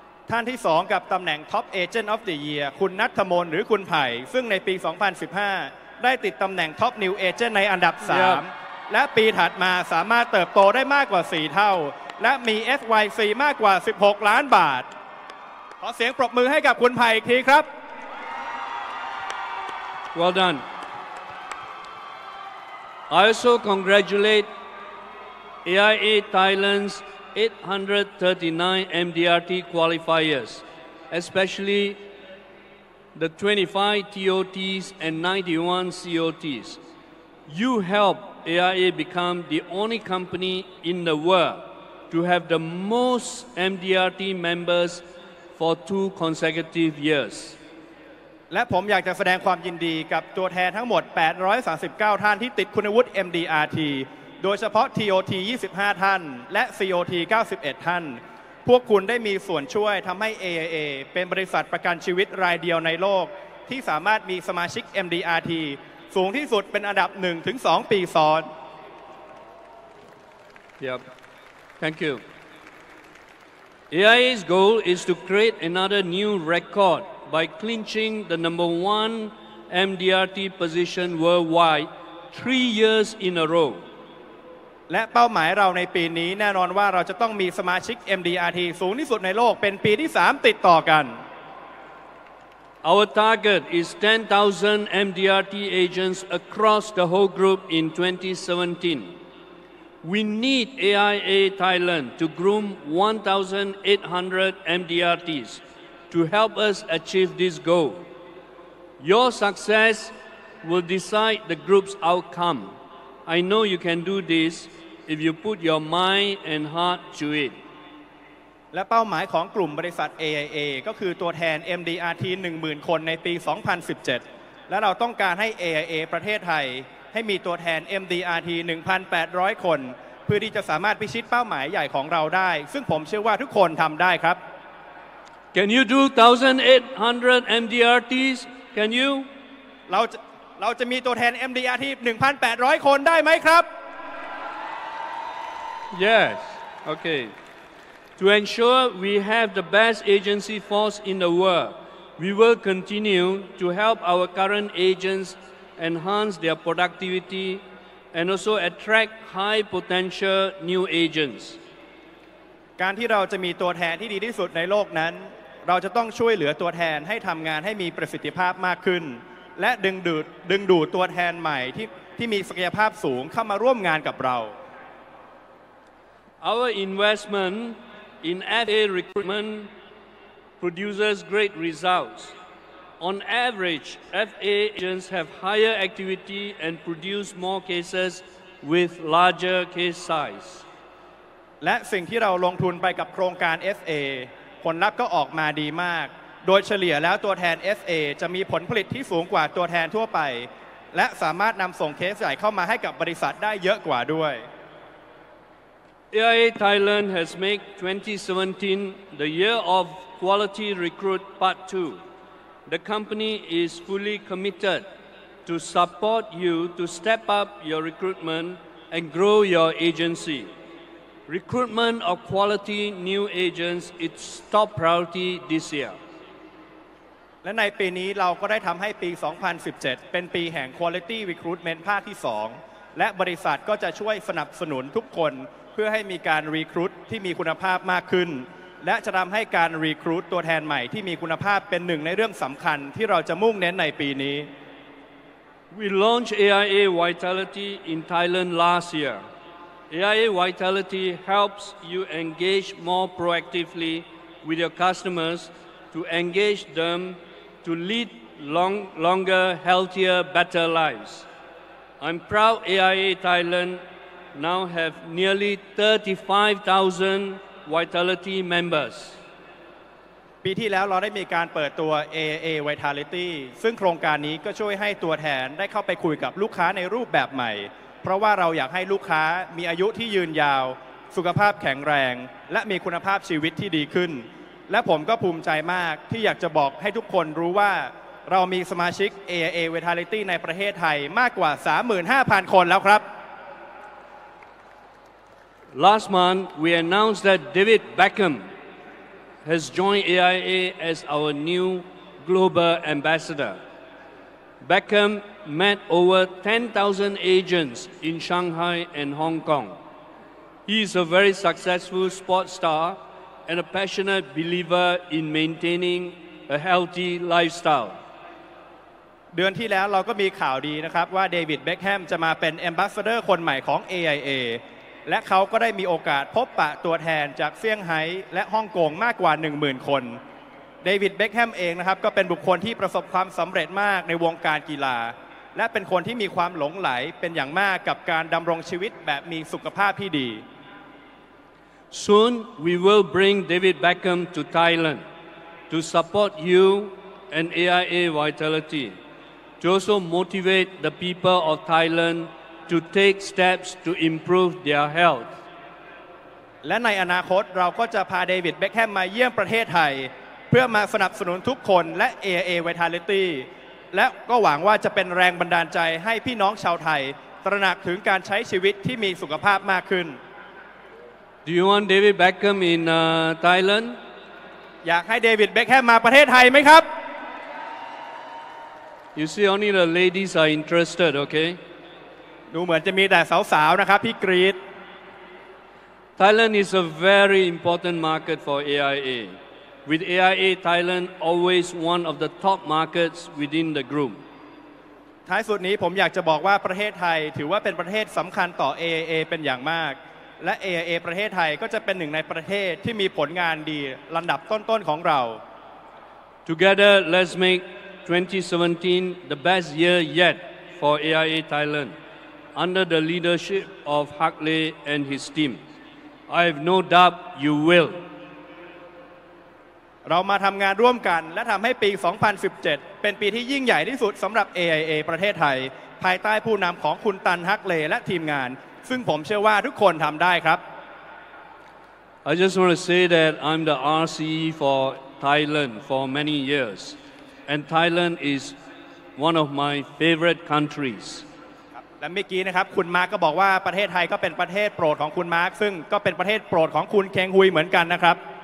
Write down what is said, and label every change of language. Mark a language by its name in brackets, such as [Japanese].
[Thai] ท่านที่2กับตำแหน่ง Top Agent of the Year คุณณัฐมนหรือคุณไผ่ซึ่งในปี2015ได้ติดตำแหน่ง Top New Agent ในอันดับ3 yeah. และปีถัดมาสามารถเติบโตได้มากกว่า4เท่าและมี FYC มากกว่า16ล้านบาทขอเสียงปรบมือให้กับคุณไผ่อีกทีครับ [English] Well done I also congratulate AIA Thailand's 839 MDRT qualifiers, especially the 25 TOTs and 91 COTs. You helped AIA become the only company in the world to have the most MDRT members for 2 consecutive years. [Thai] และผมอยากจะแสดงความยินดีกับตัวแทนทั้งหมด839ท่านที่ติดคุณวุฒิ MDRTโดยเฉพาะ TOT 25ท่านและ COT 91ท่านพวกคุณได้มีส่วนช่วยทำให้ AIA เป็นบริษัทประกันชีวิตรายเดียวในโลกที่สามารถมีสมาชิก MDRT สูงที่สุดเป็นอันดับ1ถึง2ปีซ้อน [English] Yep. Thank you. AIA's goal is to create another new record by clinching the number one MDRT position worldwide 3 years in a row [Thai] และเป้าหมายเราในปีนี้แน่นอนว่าเราจะต้องมีสมาชิก MDRT สูงที่สุดในโลกเป็นปีที่3ติดต่อกัน [English] Our target is 10,000 MDRT agents across the whole group in 2017. We need AIA Thailand to groom 1,800 MDRTs to help us achieve this goal. Your success will decide the group's outcome. I know you can do this. If you put your mind and heart to it. [Thai] และเป้าหมายของกลุ่มบริษัท AIA ก็คือตัวแทน MDRT 10,000 คนในปี2017และเราต้องการให้ AIA ประเทศไทยให้มีตัวแทน MDRT 1,800 คนเพื่อที่จะสามารถพิชิตเป้าหมายใหญ่ของเราได้ซึ่งผมเชื่อว่าทุกคนทำได้ครับ [English] Can you do 1,800 MDRTs? Can you? [Thai] เราจะมีตัวแทน MDRT 1,800 คนได้ไหมครับ [English] Yes, okay. To ensure we have the best agency force in the world, we will continue to help our current agents enhance their productivity and also attract high potential new agents. [Thai] การที่เราจะมีตัวแทนที่ดีที่สุดในโลกนั้นเราจะต้องช่วยเหลือตัวแทนให้ทำงานให้มีประสิทธิภาพมากขึ้นและดึงดูดตัวแทนใหม่ที่มีศักยภาพสูงเข้ามาร่วมงานกับเรา [English] Our investment in FA recruitment produces great results. On average, FA agents have higher activity and produce more cases with larger case size. [Thai] และสิ่งที่เราลงทุนไปกับโครงการ FA ผลลัพธ์ก็ออกมาดีมากโดยเฉลี่ยแล้วตัวแทน FA จะมีผลผลิตที่สูงกว่าตัวแทนทั่วไปและสามารถนำส่งเคสใหญ่เข้ามาให้กับบริษัทได้เยอะกว่าด้วย [English] AIA Thailand has made 2017 the year of quality recruit part 2. The company is fully committed to support you to step up your recruitment and grow your agency. Recruitment of quality new agents is top priority this year. [Thai] และในปีนี้เราก็ได้ทำให้ปี2017เป็นปีแห่ง [English] quality recruitment [Thai] ภาคที่2และบริษัทก็จะช่วยสนับสนุนทุกคนเพื่อให้มีการรีครูทที่มีคุณภาพมากขึ้นและจะทำให้การรีครูทตัวแทนใหม่ที่มีคุณภาพเป็นหนึ่งในเรื่องสำคัญที่เราจะมุ่งเน้นในปีนี้ [English] We launched AIA Vitality in Thailand last year. AIA Vitality helps you engage more proactively with your customers to engage them to lead longer, healthier, better lives. I'm proud AIA ThailandNow have nearly 35,000 Vitality members. ป [Thai] ปีที่แล้วเราได้มีการเปิดตัว AA Vitality ซึ่งโครงการนี้ก็ช่วยให้ตัวแทนได้เข้าไปคุยกับลูกค้าในรูปแบบใหม่เพราะว่าเราอยากให้ลูกค้ามีอายุที่ยืนยาวสุขภาพแข็งแรงและมีคุณภาพชีวิตที่ดีขึ้นและผมก็ภูมิใจมากที่อยากจะบอกให้ทุกคนรู้ว่าเรามีสมาชิก AA Vitality ในประเทศไทยมากกว่า 35,000 คนแล้วครับ [English] Last month we announced that David Beckham has joined AIA as our new global ambassador. Beckham met over 10,000 agents in Shanghai and Hong Kong. He is a very successful sports star and a passionate believer in maintaining a healthy lifestyle. [Thai] เดือนที่แล้วเราก็มีข่าวดีนะครับว่าเดวิดเบ็คแฮมจะมาเป็นแอมบาสเดอร์คนใหม่ของ AIA และเขาก็ได้มีโอกาสพบปะตัวแทนจากเซี่ยงไฮ้และฮ่องกงมากกว่า 10,000 คนเดวิดเบ็คแฮมเองนะครับก็เป็นบุคคลที่ประสบความสำเร็จมากในวงการกีฬาและเป็นคนที่มีความหลงไหลเป็นอย่างมากกับการดำรงชีวิตแบบมีสุขภาพที่ดี [English] Soon we will bring David Beckham to Thailand to support you and AIA VitalityTo also motivate the people of Thailand to take steps to improve their health. [Thai] และในอนาคตเราก็จะพาเดวิดเบ็คแฮมมาเยี่ยมประเทศไทยเพื่อมาสนับสนุนทุกคนและ AIA Vitality และก็หวังว่าจะเป็นแรงบันดาลใจให้พี่น้องชาวไทยตระหนักถึงการใช้ชีวิตที่มีสุขภาพมากขึ้น [English] Do you want David Beckham in Thailand? [Thai] อยากให้เดวิดเบ็คแฮมมาประเทศไทยไหมครับ [English] You see, only the ladies are interested, okay? [Thai] ดูเหมือนจะมีแต่สาวๆนะครับพี่กรีด [English] Thailand is a very important market for AIA. With AIA, Thailand always one of the top markets within the group. [Thai] ท้ายสุดนี้ผมอยากจะบอกว่าประเทศไทยถือว่าเป็นประเทศสำคัญต่อ AIA เป็นอย่างมากและ AIA ประเทศไทยก็จะเป็นหนึ่งในประเทศที่มีผลงานดีลำดับต้นๆของเรา [English] Together, let's make 2017 the best year yet for AIA Thailand under the leadership of Hak Leh and his team. I have no doubt you will. [Thai] เรามาทำงานร่วมกันและทำให้ปี2017เป็นปีที่ยิ่งใหญ่ที่สุดสำหรับ AIA ประเทศไทยภายใต้ผู้นำของคุณตันฮักเลและทีมงานซึ่งผมเชื่อว่าทุกคนทำได้ครับ [English] I just want to say that I'm the RCE for Thailand for many years. And Thailand is one of my favorite countries. [Thai] และเมื่อกี้นะครับคุณมาร์กก็บอกว่าประเทศไทยก็เป็นประเทศโปรดของคุณมาร์กซึ่งก็เป็นประเทศโปรดของคุณเคงฮุยเหมือนกันนะครับ